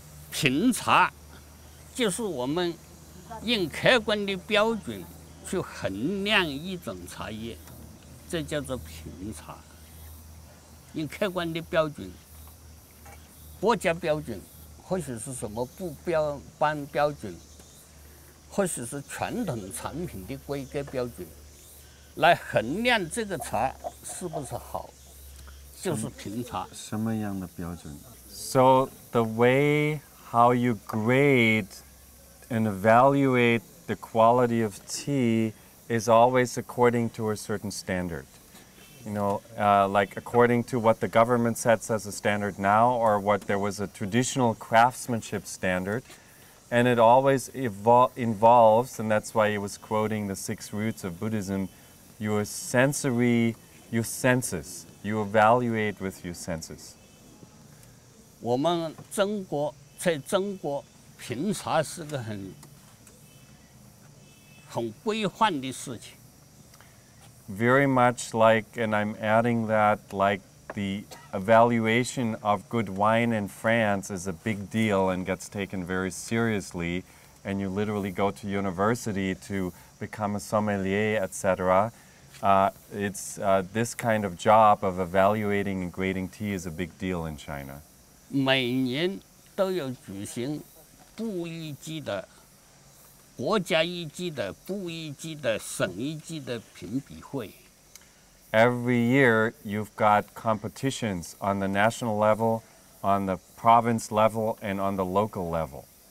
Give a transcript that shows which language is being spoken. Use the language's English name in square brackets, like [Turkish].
[Chinese] 品茶就是我们用客观的标准去衡量一种茶叶这叫做品茶用客观的标准国家标准或许是什么不标班标准或许是传统产品的规格标准来衡量这个茶是不是好就是品茶什么样的标准 [English] So the way how you grade and evaluate the quality of tea is always according to a certain standard. You know, like according to what the government sets as a standard now or what there was a traditional craftsmanship standard. And it always involves, and that's why he was quoting the six roots of Buddhism, your sensory, your senses. You evaluate with your senses. [Chinese] 我们中国品茶是个很规范的事情。 [English] Very much like, and I'm adding that, like the evaluation of good wine in France is a big deal and gets taken very seriously, and you literally go to university to become a sommelier, etc. This kind of job of evaluating and grading tea is a big deal in China. [Chinese] 每年都有举行部一级的、国家一级的、部一级的、省一级的评比会。 [English] Every year, you've got competitions on the national level, on the province level, and on the local level.